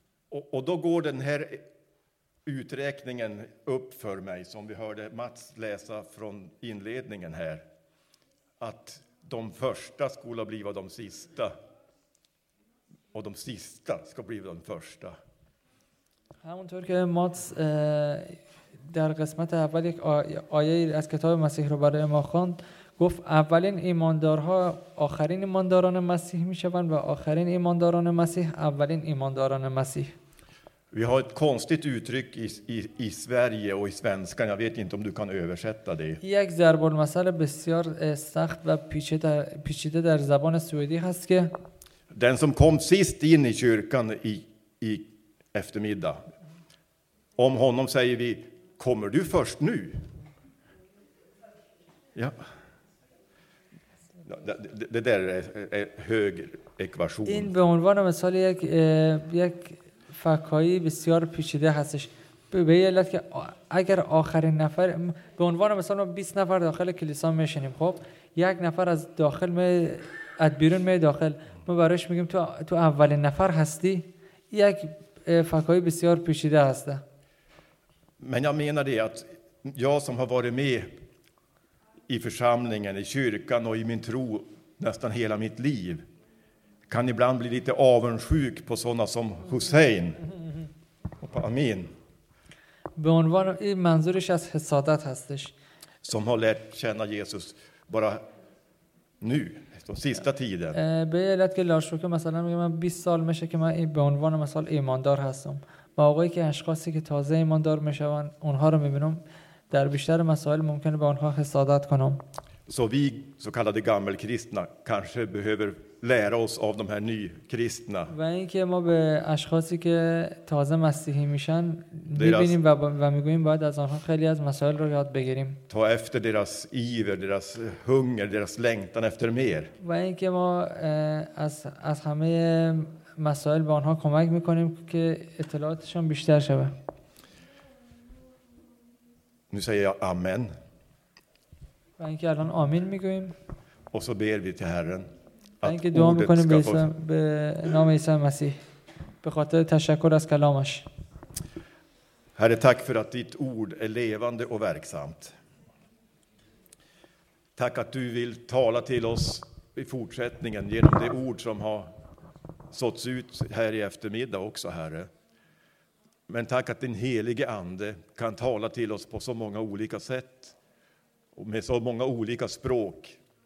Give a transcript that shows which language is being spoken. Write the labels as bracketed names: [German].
[Swedish] Och då går den här uträkningen upp för mig som vi hörde Mats läsa från inledningen här, att de första skola bliva de sista och de sista ska bliva de första. [Persian] همونطور که ماتس در قسمت اول یک آیه از کتاب مسیح رو برای ما خواند گفت اولین ایماندارها آخرین ایمانداران مسیح میشوند و آخرین ایمانداران مسیح اولین ایمانداران مسیح. [Swedish] Vi har ett konstigt uttryck i Sverige och i svenskan. Jag vet inte om du kan översätta det. [Persian] یک ضرب المثل بسیار سخت و پیچیده در زبان سوئدی هست که [Swedish] den som kom sist in i kyrkan i eftermiddag. Om honom säger vi: kommer du först nu? Ja. Det där är hög ekvation. [Persian] In be unvan misal yak fakhayi besyar pichide hastesh. به یه علت که اگر آخرین نفر به عنوان مثلا 20 نفر داخل کلیسا میشینیم، خب یک نفر از داخل از بیرون می داخل، ما براش میگیم تو اولین نفر هستی، یک فکای بسیار پیچیده هسته. [Swedish] من jag menar det att jag som har varit med i församlingen, i kyrkan och i min tro nästan hela mitt liv kan ibland bli lite avundsjuk på sådana som Hussein och på Amin. [Persian] به عنوان این منظورش از حسادت هستش. [Swedish] Som har lärt känna Jesus bara nu, de sista tiden. [Persian] به علت که لارشو که مثلا میگه من 20 سال میشه که من به عنوان مثال ایماندار هستم. با آقایی که اشخاصی که تازه ایماندار میشون اونها رو میبینم در بیشتر مسائل ممکنه به اونها حسادت کنم. [Swedish] Så vi så kallade gammelkristna kanske behöver lära oss av de här nykristna. [Persian] و اینکه ما به اشخاصی که تازه مسیحی میشن میبینیم و میگوییم باید از آنها خیلی از مسائل رو یاد بگیریم. [Swedish] Ta efter deras iver, deras hunger, deras längtan efter mer. [Persian] و اینکه ما از همه مسائل به آنها کمک میکنیم که اطلاعاتشون بیشتر شوه. [Swedish] Nu säger jag amen. [Persian] و اینکه الان آمین میگوییم. [Swedish] Och så ber vi till Herren. [Persian] اینکه دعا میکنیم به نام عیسی مسیح به خاطر تشکر از کلامش. [Swedish] Herre, tack för att ditt ord är levande och verksamt. Tack att du vill tala till oss i fortsättningen genom det ord som har såtts ut här i eftermiddag också, Herre. Men tack att din helige ande kan tala till oss på så många olika sätt och med så många olika språk.